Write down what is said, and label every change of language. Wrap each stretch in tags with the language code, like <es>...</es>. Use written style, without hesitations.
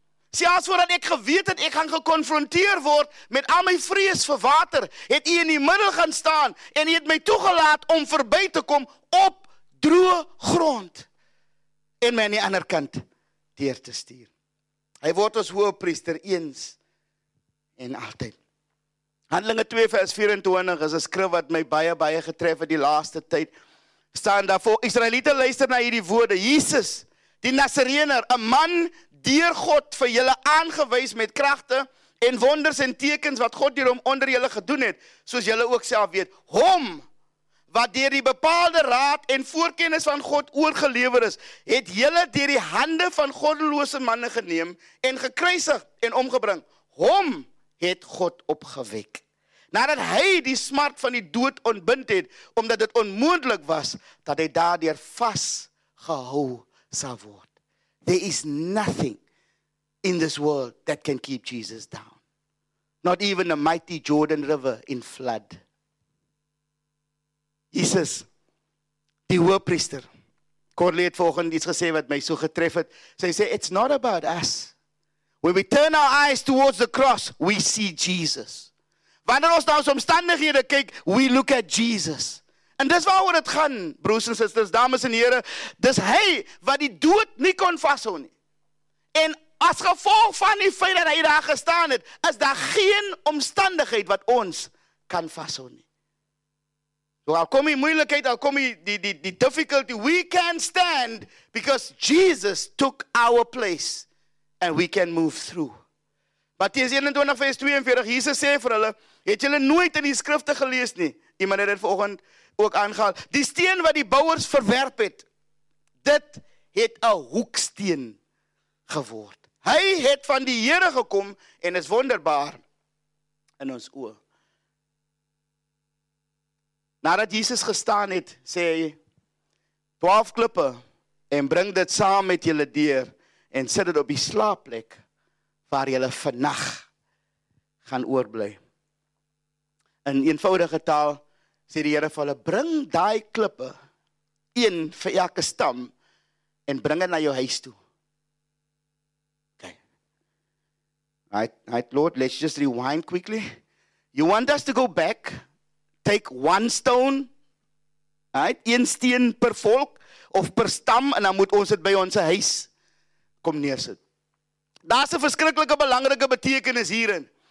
<af>Selfs voordat ek geweet het, ek gaan gekonfronteer word met al my vrees vir water, het U in die middel gaan staan en U het my toegelaat om verby te kom op droë grond. En my aan die ander kant deur te stuur. Hy word ons hoëpriester eens en altyd. Handelinge 2 vers 24 is 'n skrif wat my baie getref het die laaste tyd. Staan daar voor Israeliete luister na hierdie woorde. Jesus, die Nasareener, 'n man deur God vir julle aangewys met kragte en wonders en tekens wat God deur hom onder julle gedoen het, soos julle ook self weet. Hom wat deur die bepaalde raad en voorkennis van God oorgelewer is, het julle deur die hande van goddelose manne geneem en gekruisig en omgebring. Hom het God opgewek. Nadat hy die smart van die dood ontbind het, omdat dit onmoontlik was, dat hy daardeur vasgehou sal word.</af> <en>There is nothing in this world that can keep Jesus down. Not even the mighty Jordan River in flood.</en> <af>Jesus, die hoëpriester, Corlie het vanoggend iets gesê wat my so getref het. Sy sê,</af> <en>it's not about us. When we turn our eyes towards the cross, we see Jesus.</en> <af>Wanneer ons na ons omstandighede kyk,</af> <en>we look at Jesus.</en> <af>En dis waar oor het gaan, broers en sisters, dames en heren. Dis hy wat die dood nie kon vashou nie. En as gevolg van die feit dat hy daar gestaan het, is daar geen omstandigheid wat ons kan vashou nie. Al kom die moeilikheid, al kom die difficulty,</af> <en>we can stand because Jesus took our place and we can move through.</en> <af>Matteus 21 vers 42, Jesus sê vir hulle, het julle nooit in die skrifte gelees nie, iemand het dit vanoggend ook aangehaal, die steen wat die bouwers verwerp het, dit het 'n hoeksteen geword. Hy het van die Here gekom en is wonderbaar in ons oë. Nadat Jesus gestaan het, sê hy, 12 klippe, en bring dit saam met julle deur, en sit dit op die slaapplek, waar julle vannag gaan oorbly. In eenvoudige taal, sê die Here vir hulle, bring daai klippe, een vir elke stam, en bring dit na jou huis toe. Okay.</af> <en>Right, Lord, let's just rewind quickly. You want us to go back, take one stone, right,</en> <af>een steen per volk, of per stam, en dan moet ons dit by ons huis kom neersit. Daar is een verskriklike belangrike betekenis hierin.</af>